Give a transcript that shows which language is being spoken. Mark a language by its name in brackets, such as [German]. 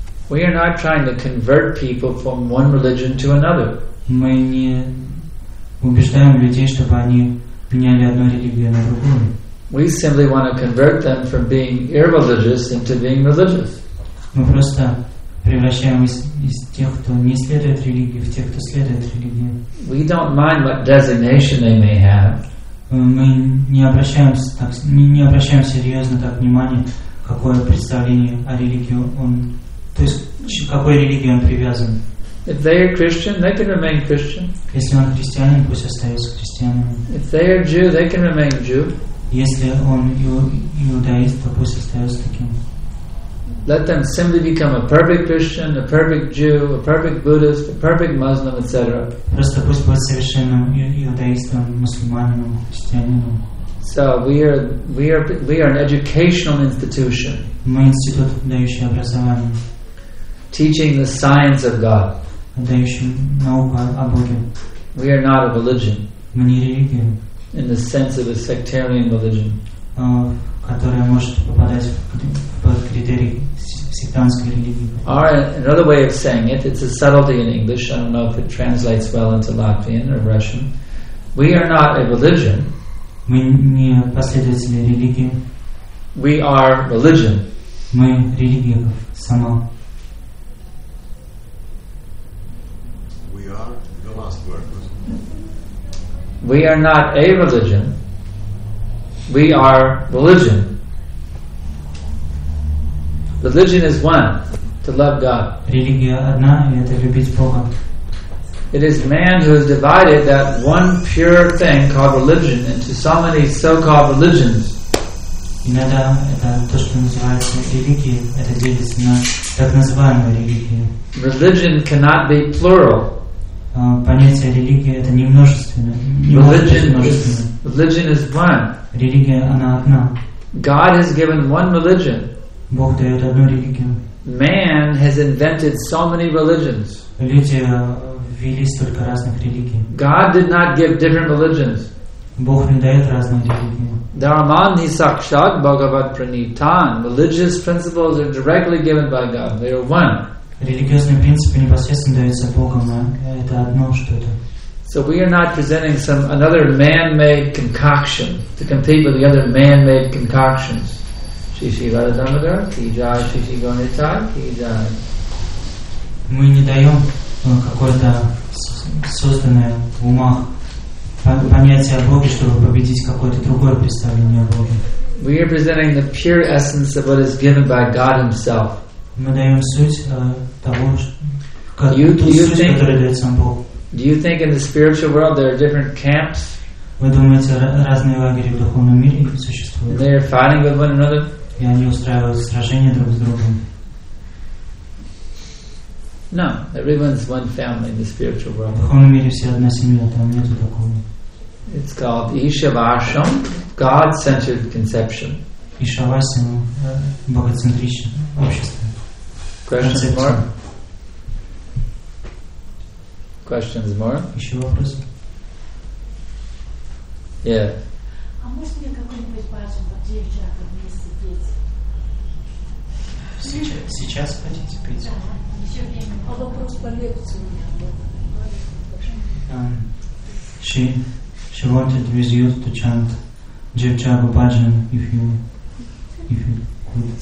[Russian] Мы не убеждаем людей, чтобы они меняли одну религию на другую. [English] We simply want to convert them from being irreligious into being religious. [Russian] Мы просто превращаем из тех, кто не следует религии, в тех, кто следует религии. [English] We don't mind what designation they may have. [Russian] Мы не обращаемся так, не обращаем серьезно так внимание, какое представление о религии он, то есть к какой религии он привязан. [English] If they are Christian, they can remain Christian. [Russian] Если он христианин, пусть остается христианином. [English] If they are Jew, they can remain Jew. [Russian] Если он иудаист, то пусть остается таким. [English] Let them simply become a perfect Christian, a perfect Jew, a perfect Buddhist, a perfect Muslim, etc. [Russian] Просто пусть будет совершенным иудаистом, мусульманином, христианином. [English] So we are an educational institution. [Russian] Мы институт, дающий образование. [English] Teaching the science of God. [Russian] Дающий науку о Боге. [English] We are not a religion. [Russian] Мы не религия. [English] In the sense of a sectarian religion. [Russian] Которая может попадать под критерий сектантской религии. [English] Or another way of saying it, it's a subtlety in English. I don't know if it translates well into Latvian or Russian. We are not a religion. [Russian] Мы не последователи религии. [English] We are religion. [Russian] Мы религия сама. [English] We are the last word. We are not a religion. We are religion. Religion is one, to love God. [Russian] Религия одна, и это любить Бога. [English] It is man who has divided that one pure thing called religion into so many so-called religions. [Russian] Иногда это то, что называется религия, это делится на так называемую религию. [English] Religion cannot be plural. [Russian] Понятие религия — это не множественное. [English] Religion is one. [Russian] Религия, она одна. [English] God has given one religion. [Russian] Бог дает одну религию. [English] Man has invented so many religions. [Russian] Люди ввели столько разных религий. [English] God did not give different religions. [Russian] Бог не дает разные религии. [Sanskrit] Dharmani sakshat bhagavat pranitan. [English] Religious principles are directly given by God. They are one. [Russian] Религиозные принципы непосредственно даются Богом, а это одно что-то. [English] So we are not presenting some another man-made concoction to compete with the other man-made concoctions. Shishi Radhadamadar, Kijai Shishi Gonitai, Kijai. [Russian] Мы не даем какое-то созданное в умах понятие о Боге, чтобы победить какое-то другое представление о Боге. [English] We are presenting the pure essence of what is given by God Himself. [Russian] Мы даем суть того, суть, которая дает сам Бог. [English] Do you think in the spiritual world there are different camps? [Russian] Вы думаете, разные лагеря в духовном мире существуют? [English] And they are fighting with one another? [Russian] И они устраивают сражения друг с другом? [English] No, everyone is one family in the spiritual world. [Russian] В духовном мире все одна семья, там нет такого. [English] It's called Ishavasham, God-centered conception. [Russian] Ishavasham, богоцентричное общество. [English] Questions more? Questions more? [Russian] Еще вопросы? А может мне какой-нибудь баджан по три чакры вместе петь? Сейчас хотите петь? Да, еще время. А вопрос по лекции у меня был. [English] She wanted with you to chant Jivchaga Bhajan if you could.